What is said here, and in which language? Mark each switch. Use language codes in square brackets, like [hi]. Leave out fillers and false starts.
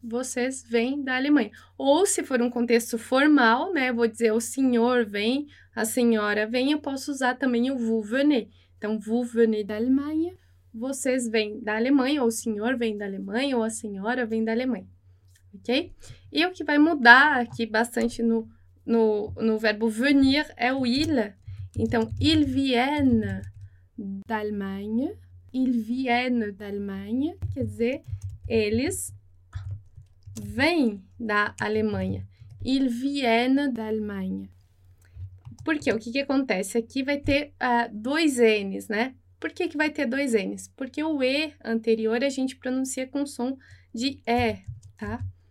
[pt] Vocês vêm da Alemanha. Ou, se for um contexto formal, né, vou dizer o senhor vem, a senhora vem, eu posso usar também o [fr] vous venez. Então, vous venez d'Allemagne. [pt] Vocês vêm da Alemanha, ou o senhor vem da Alemanha, ou a senhora vem da Alemanha. Ok? E o que vai mudar aqui bastante no verbo venir é o il. [fr] Então, ils viennent d'Allemagne. Ils viennent d'Allemagne. [pt] Quer dizer, eles vêm da Alemanha. [fr] Ils viennent d'Allemagne. [pt] Por quê? O que que acontece? Aqui vai ter dois N's, né? Por que que vai ter dois N's? Porque o E anterior a gente pronuncia com som de E, tá?